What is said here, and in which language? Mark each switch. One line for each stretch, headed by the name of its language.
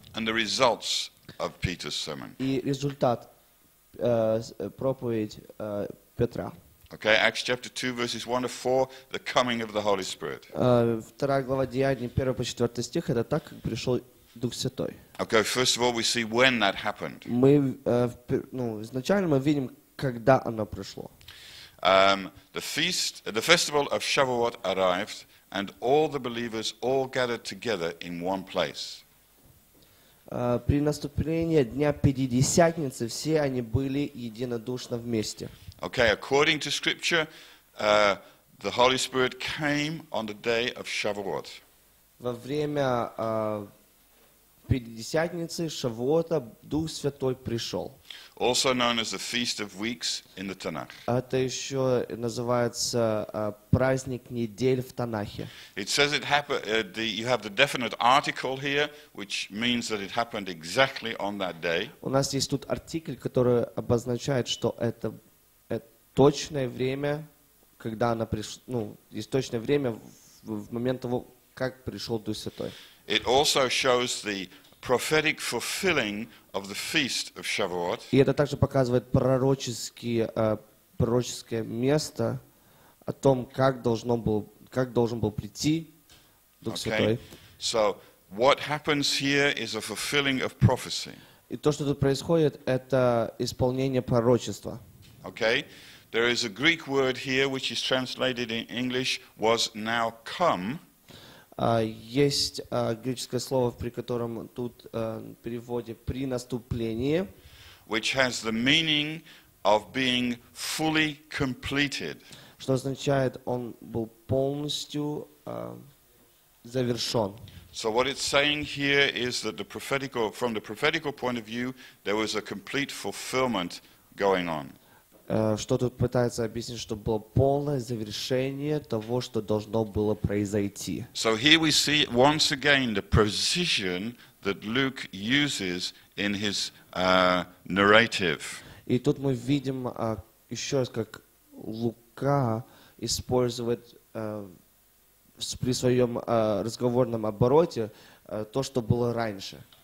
English: And the results of Peter's sermon.
Russian: И результат проповедь Петра.
English: Okay, Acts chapter 2 verses 1 to 4, the coming of the Holy Spirit.
Russian: Вторая глава Деяний, 1 по 4 стих, это так, как пришел Дух Святой.
English: Okay, first of all, we see when that happened.
Russian: Мы, ну, изначально мы видим, когда оно пришло.
English: The festival of Shavuot arrived, and all the believers all gathered together in one place.
Russian: При наступлении Дня Пятидесятницы все они были единодушно вместе.
English: Okay, according to Scripture, the Holy Spirit came on the day of Shavuot.
Russian: Во время Пятидесятницы, Шавуота, Дух Святой пришел.
English: Also known as the Feast of Weeks in the Tanakh.
Russian: Это еще называется праздник недель в Танахе.
English: It says it happened. You have the definite article here, which means that it happened exactly on that day.
Russian: У нас есть тут артикль, который обозначает, что это точное время, когда она пришла, ну, есть точное время в момент того, как пришел Дух Святой.
English: It also shows the prophetic fulfilling of the feast of Shavuot.
Russian: И это также показывает пророческое место о том, как должен был прийти Дух Святой.
English: So what happens here is a fulfilling of prophecy.
Russian: И то, что тут происходит, это исполнение пророчества.
English: Okay. There is a Greek word here which is translated in English was now come.
Russian: Есть греческое слово, при котором тут переводе при наступлении,
English: which has the meaning of being fully completed.
Russian: Что означает, он был полностью завершен.
English: So what it's saying here is that the prophetical, from the prophetical point of view, there was a complete fulfillment going on.
Russian: Что тут пытается объяснить, что было полное завершение того, что должно было произойти.
English: So here we see once again the precision that Luke uses in his narrative.
Russian: И тут мы видим еще раз, как Лука использует при своем разговорном обороте то, что было раньше.